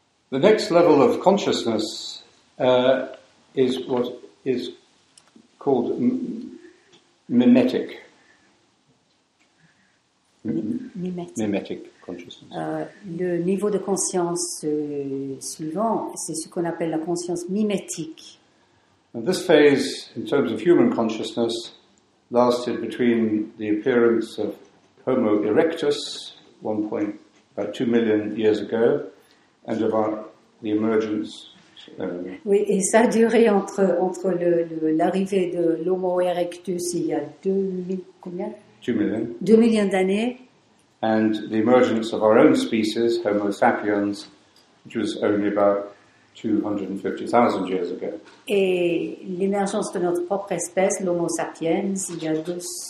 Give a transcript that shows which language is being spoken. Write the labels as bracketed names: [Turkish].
[English] The next level of consciousness is what is called mimetic. Mimetic consciousness. [French] Le niveau de conscience suivant, c'est ce qu'on appelle la conscience mimétique. [English] And this phase, in terms of human consciousness, lasted between the appearance of Homo erectus, about 2 million years ago, and about the emergence. [French] Oui, et ça a duré entre l'arrivée de l'Homo erectus il y a 2 millions d'années. [English] And the emergence of our own species, Homo sapiens, which was only about 250,000 years ago. [French] Et l'émergence de notre propre espèce, l'Homo sapiens, il y a 200,000.